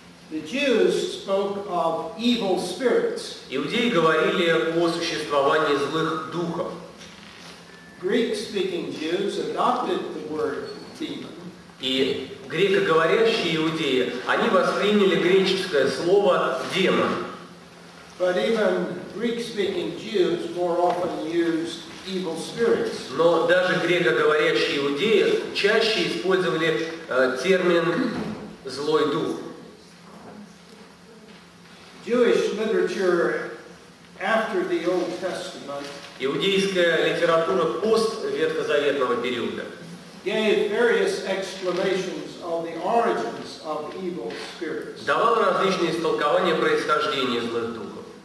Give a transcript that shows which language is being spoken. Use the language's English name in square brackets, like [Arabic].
[English] The Jews spoke of evil spirits. [Russian] Иудеи говорили о существовании злых духов. [English] Greek-speaking Jews adopted the word demon. [Russian] И грекоговорящие иудеи, они восприняли греческое слово «демон». [English] But even Greek-speaking Jews more often used evil spirits. [Russian] Но даже грекоговорящие иудеи чаще использовали термин «злой дух». [English] Jewish literature after the Old Testament. [Russian] Иудейская литература постветхозаветного периода [English] gave various explanations of the origins of evil spirits. [Russian] Давал различные истолкования происхождения злых духов.